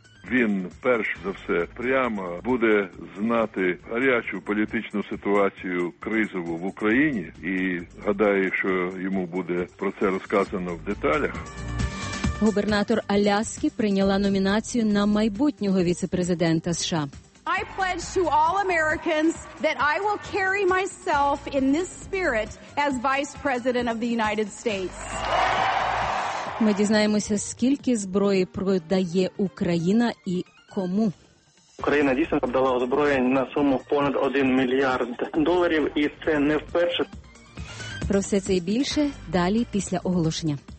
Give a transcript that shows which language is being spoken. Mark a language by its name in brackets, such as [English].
[Ukrainian] Він, перш за все, прямо буде знати гарячу політичну ситуацію кризову в Україні і гадає, що йому буде про це розказано в деталях. Губернатор Аляски прийняла номінацію на майбутнього віце-президента США. [English] I pledge to all Americans that I will carry myself in this spirit as Vice President of the United States. [Ukrainian] Ми дізнаємося, скільки зброї продає Україна і кому. Україна дійсно продала озброєнь на суму понад 1 мільярд доларів, і це не вперше. Про все це і більше далі після оголошення.